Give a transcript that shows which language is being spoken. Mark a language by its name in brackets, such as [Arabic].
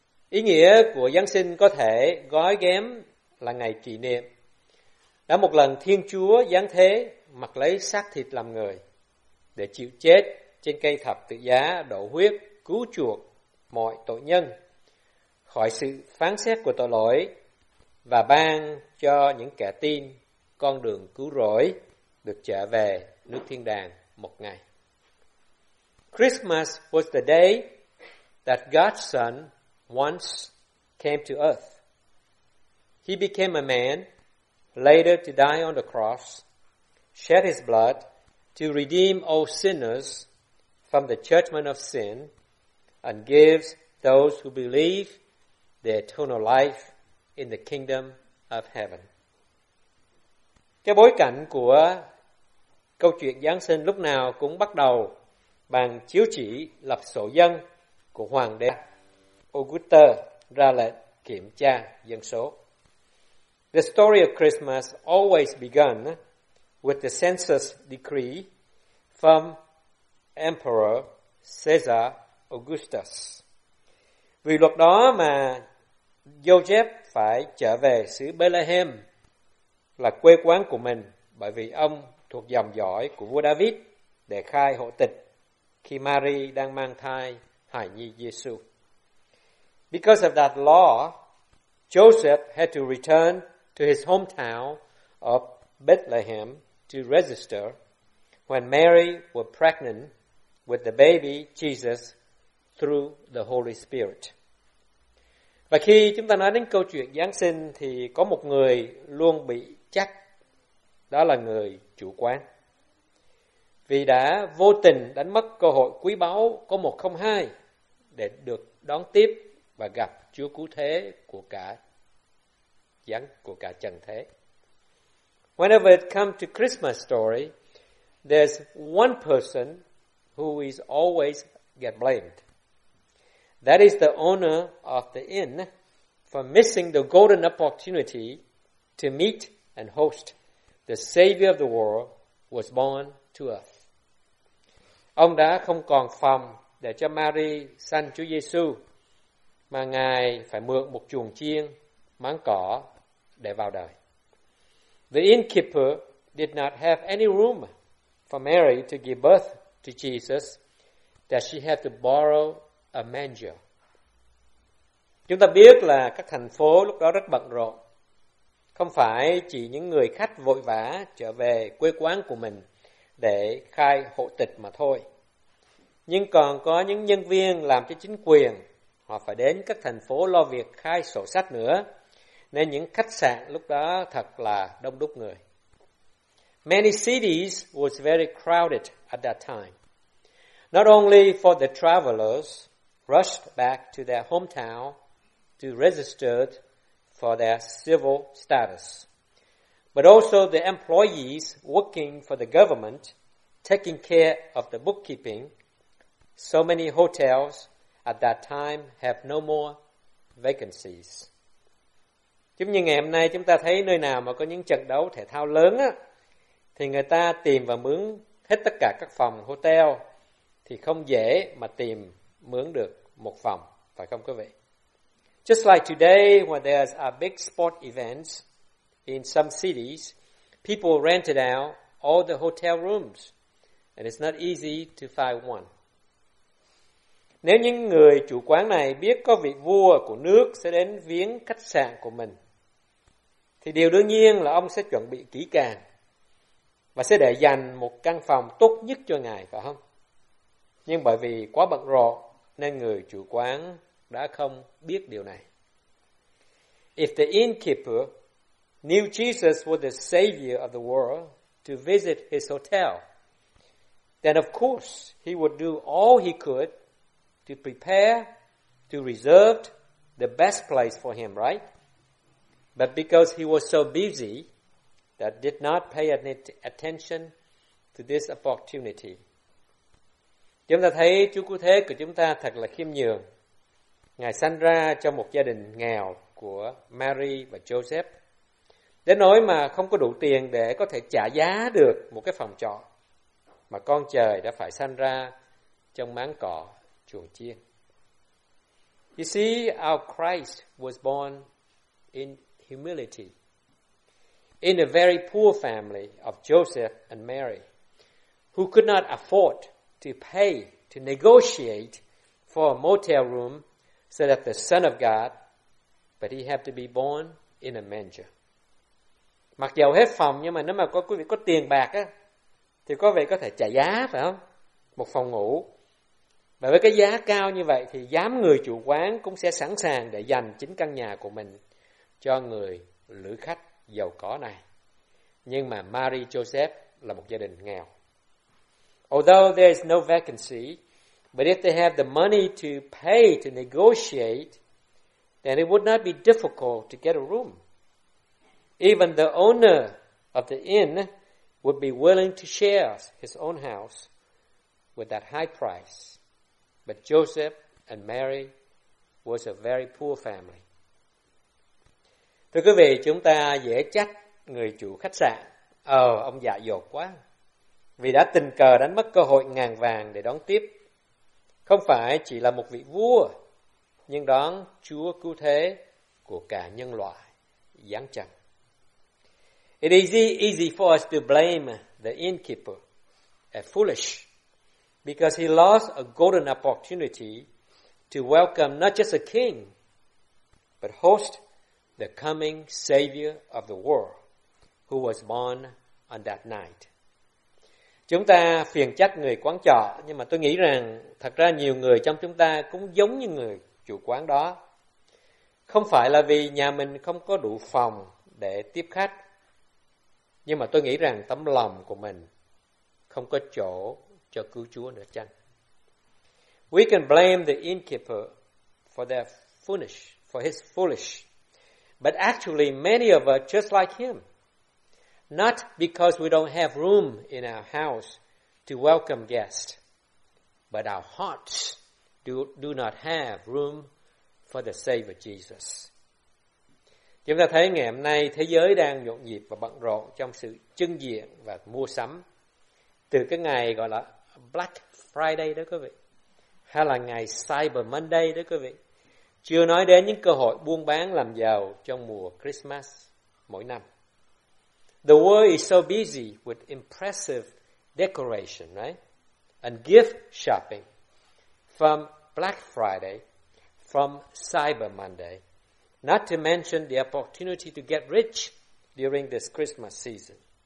[Vietnamese] Ý nghĩa của Giáng sinh có thể gói ghém là ngày kỷ niệm đã một lần Thiên Chúa giáng thế mặc lấy xác thịt làm người để chịu chết trên cây thập tự giá, đổ huyết cứu chuộc mọi tội nhân khỏi sự phán xét của tội lỗi và ban cho những kẻ tin con đường cứu rỗi được trở về nước thiên đàng một ngày. [English] Christmas was the day that God's Son once came to earth. He became a man, later to die on the cross, shed his blood to redeem all sinners from the judgment of sin, and gives those who believe the eternal life in the kingdom of heaven. [Vietnamese] Cái bối cảnh của câu chuyện Giáng sinh lúc nào cũng bắt đầu bằng chiếu chỉ lập sổ dân của hoàng đế Augusta ra lệnh kiểm tra dân số. [English] The story of Christmas always began with the census decree from Emperor Caesar Augustus. [Vietnamese] Vì luật đó mà Joseph phải trở về xứ Bethlehem là quê quán của mình bởi vì ông thuộc dòng dõi của vua David để khai hộ tịch khi Mary đang mang thai hài nhi Giê-xu. [English] Because of that law, Joseph had to return to his hometown of Bethlehem to register when Mary was pregnant with the baby Jesus through the Holy Spirit. [Vietnamese] Và khi chúng ta nói đến câu chuyện Giáng sinh thì có một người luôn bị trách, đó là người chủ quán. Vì đã vô tình đánh mất cơ hội quý báu có một không hai để được đón tiếp và gặp Chúa cứu thế của cả trần thế. [English] Whenever it comes to Christmas story, there's one person who is always get blamed. That is the owner of the inn for missing the golden opportunity to meet and host the Savior of the world was born to earth. [Vietnamese] Ông đã không còn phòng để cho Mary sanh Chúa Giê-xu, mà Ngài phải mượn một chuồng chiên, máng cỏ để vào đời. [English] The innkeeper did not have any room for Mary to give birth to Jesus, that she had to borrow a manger. [Vietnamese] Chúng ta biết là các thành phố lúc đó rất bận rộn. Không phải chỉ những người khách vội vã trở về quê quán của mình để khai hộ tịch mà thôi. Nhưng còn có những nhân viên làm cho chính quyền, họ phải đến các thành phố lo việc khai sổ sách nữa, nên những khách sạn lúc đó thật là đông đúc người. [English] Many cities was very crowded at that time. Not only for the travelers rushed back to their hometown to register for their civil status, but also the employees working for the government, taking care of the bookkeeping. So many hotels at that time have no more vacancies. [Vietnamese] Giống như ngày hôm nay chúng ta thấy nơi nào mà có những trận đấu thể thao lớn á, thì người ta tìm và mướn hết tất cả các phòng hotel thì không dễ mà tìm mướn được một phòng, phải không quý vị? [English] Just like today when there are big sport events in some cities, people rented out all the hotel rooms and it's not easy to find one. [Vietnamese] Nếu những người chủ quán này biết có vị vua của nước sẽ đến viếng khách sạn của mình, thì điều đương nhiên là ông sẽ chuẩn bị kỹ càng và sẽ để dành một căn phòng tốt nhất cho ngài, phải không? Nhưng bởi vì quá bận rộn nên người chủ quán đã không biết điều này. [English] If the innkeeper knew Jesus was the Savior of the world to visit his hotel, then of course he would do all he could to prepare, to reserve the best place for him, right? But because he was so busy, that did not pay any attention to this opportunity. [Vietnamese] Chúng ta thấy Chúa cứu thế của chúng ta thật là khiêm nhường. Ngài sanh ra trong một gia đình nghèo của Mary và Joseph, đến nỗi mà không có đủ tiền để có thể trả giá được một cái phòng trọ. mà con trời đã phải sanh ra trong máng cỏ chuồng chiên. [English] You see, our Christ was born in humility, in a very poor family of Joseph and Mary, who could not afford to pay to negotiate for a motel room so that the Son of God, but he had to be born in a manger. [Vietnamese] Mặc dầu hết phòng, nhưng mà nếu mà có quý vị có tiền bạc á, thì có vẻ có thể trả giá, phải không? Một phòng ngủ. Và với cái giá cao như vậy, thì dám người chủ quán cũng sẽ sẵn sàng để dành chính căn nhà của mình cho người lữ khách giàu có này. Nhưng mà Mary Joseph là một gia đình nghèo. [English] Although there is no vacancy, but if they have the money to pay to negotiate, then it would not be difficult to get a room. Even the owner of the inn would be willing to share his own house with that high price. But Joseph and Mary was a very poor family. [Vietnamese] Thưa quý vị, chúng ta dễ trách người chủ khách sạn. Ông dại dột quá. Vì đã tình cờ đánh mất cơ hội ngàn vàng để đón tiếp. Không phải chỉ là một vị vua, nhưng đón Chúa cứu thế của cả nhân loại giáng trần. [English] It is easy for us to blame the innkeeper, a foolish, because he lost a golden opportunity to welcome not just a king, but host the coming Savior of the world, who was born on that night. [Vietnamese] Chúng ta phiền trách người quán trọ, nhưng mà tôi nghĩ rằng thật ra nhiều người trong chúng ta cũng giống như người chủ quán đó. Không phải là vì nhà mình không có đủ phòng để tiếp khách, nhưng mà tôi nghĩ rằng tấm lòng của mình không có chỗ cho cứu Chúa nữa chăng. [English] We can blame the innkeeper for his foolish, but actually many of us just like him, not because we don't have room in our house to welcome guests, but our hearts do not have room for the Savior Jesus. [Vietnamese] Chúng ta thấy ngày hôm nay thế giới đang nhộn nhịp và bận rộn trong sự trưng diện và mua sắm. Từ cái ngày gọi là Black Friday đó quý vị, hay là ngày Cyber Monday đó quý vị. Chưa nói đến những cơ hội buôn bán làm giàu trong mùa Christmas mỗi năm. [English] The world is so busy with impressive decoration, right? And gift shopping from Black Friday, from Cyber Monday. Not to mention the opportunity to get rich during this Christmas season.